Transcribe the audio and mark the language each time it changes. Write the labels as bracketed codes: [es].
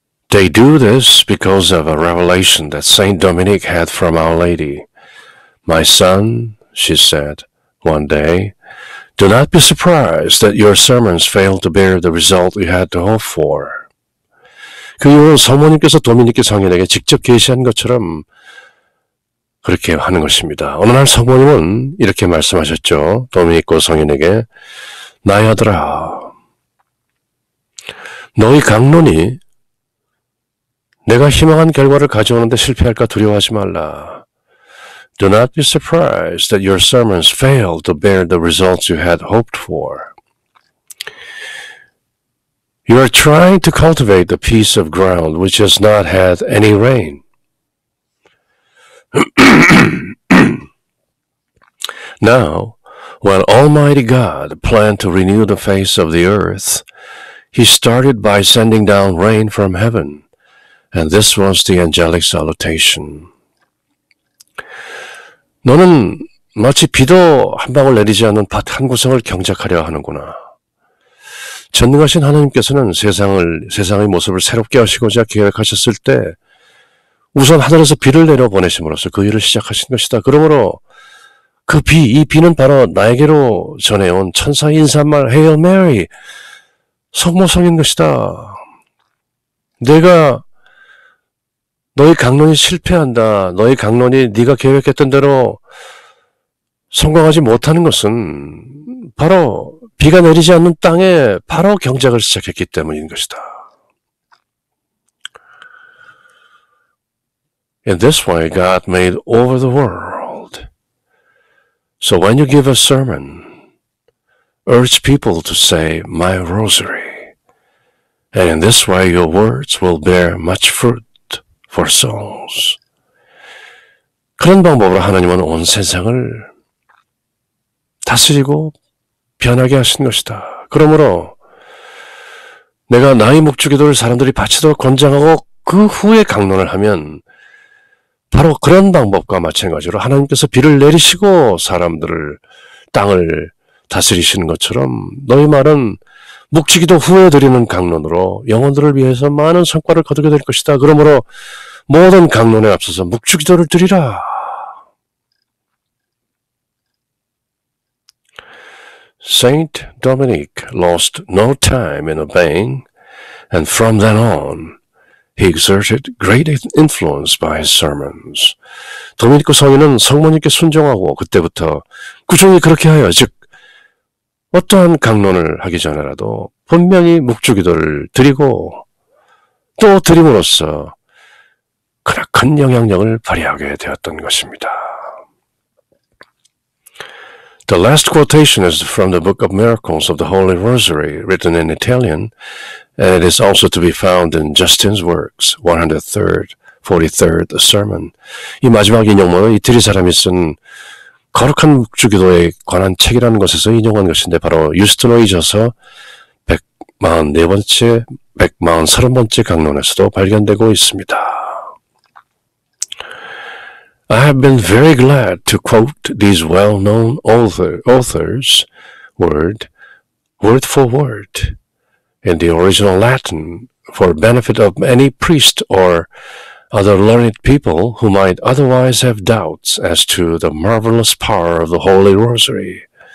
[en] They do this because of a revelation that Saint Dominic had from Our Lady. My son, she said one day, Do not be surprised that your sermons failed to bear the result you had to hope for. [ko] 그 이유는 성모님께서 도미니크 성인에게 직접 계시한 것처럼 그렇게 하는 것입니다. 어느 날 성모님은 이렇게 말씀하셨죠. 도미니크 성인에게, 나의 아들아, 너의 강론이 내가 희망한 결과를 가져오는데 실패할까 두려워하지 말라. [en] Do not be surprised that your sermons failed to bear the results you had hoped for. You are trying to cultivate the piece of ground which has not had any rain. Now, when Almighty God planned to renew the face of the earth, He started by sending down rain from heaven, and this was the angelic salutation. [ko] 너는 마치 비도 한 방울 내리지 않는 밭 한 구석을 경작하려 하는구나. 전능하신 하나님께서는 세상의 모습을 새롭게 하시고자 계획하셨을 때 우선 하늘에서 비를 내려 보내심으로써 그 일을 시작하신 것이다. 그러므로 그 비, 이 비는 바로 나에게로 전해온 천사 인사말 Hail Mary, 성모성인 것이다. 내가 너의 강론이 실패한다. 너의 강론이 네가 계획했던 대로 성공하지 못하는 것은 바로 비가 내리지 않는 땅에 바로 경작을 시작했기 때문인 것이다. [en] In this way, God made over the world. So when you give a sermon, urge people to say my rosary. And in this way, your words will bear much fruit for souls. [ko] 그런 방법으로 하나님은 온 세상을 다스리고 변하게 하신 것이다. 그러므로 내가 나의 목주기도를 사람들이 바치도록 권장하고 그 후에 강론을 하면 바로 그런 방법과 마찬가지로 하나님께서 비를 내리시고 사람들을 땅을 다스리시는 것처럼 너희 말은 묵주기도 후에 드리는 강론으로 영혼들을 위해서 많은 성과를 거두게 될 것이다. 그러므로 모든 강론에 앞서서 묵주기도를 드리라. [en] Saint Dominic lost no time in obeying, and from then on, he exerted great influence by his sermons. [ko] 도미니크 성인은 성모님께 순종하고 그때부터 꾸준히 그렇게 하여 즉 어떠한 강론을 하기 전에라도 분명히 묵주기도를 드리고 또 드림으로써 크나큰 영향력을 발휘하게 되었던 것입니다. [en] The last quotation is from the Book of Miracles of the Holy Rosary, written in Italian, and it is also to be found in Justin's works, 103rd, 43rd Sermon. [ko] 이 마지막 인용문은 이태리 사람이 쓴 거룩한 묵주기도에 관한 책이라는 것에서 인용한 것인데 바로 유스트노이 저서 143번째 강론에서도 발견되고 있습니다. [en] I have been very glad to quote these well-known authors word for word in the original Latin for benefit of any priest or other learned people who might otherwise have doubts as to the marvelous power of the Holy Rosary.